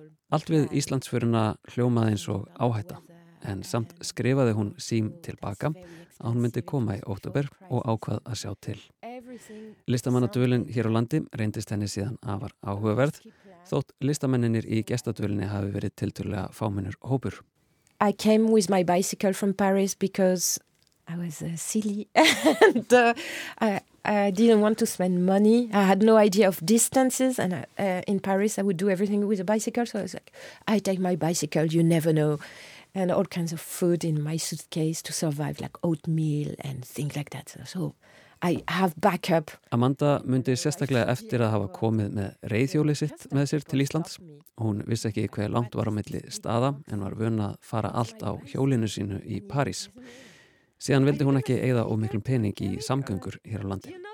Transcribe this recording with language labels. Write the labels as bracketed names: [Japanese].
[Icelandic] Allt við Íslandsföruna hljómaði eins og áhætta, en samt skrifaði hún SIM tilbaka að hún myndi koma í október og ákvað að sjá til. Listamannadvölin hér á landi reyndist henni síðan afar áhugaverð, þótt listamenninir í gestadvölinni hafi verið tiltölulega fámennur hópur. [English] I came with my bicycle from Paris because I was silly and I didn't want to spend money. I had no idea of distances and in Paris I would do everything with a bicycle. So I was like, I take my bicycle, you never know. And all kinds of food in my suitcase to survive, like oatmeal and things like that. So I have backup. [Icelandic] Amanda mundi sérstaklega eftir að hafa komið með reiðhjóli sitt með sér til Íslands. Hún vissi ekki hver langt var á milli staða en var vön að fara allt á hjólinu sínu í París. Síðan vildi hún ekki eyða ómiklum pening í samgöngur hér á landi.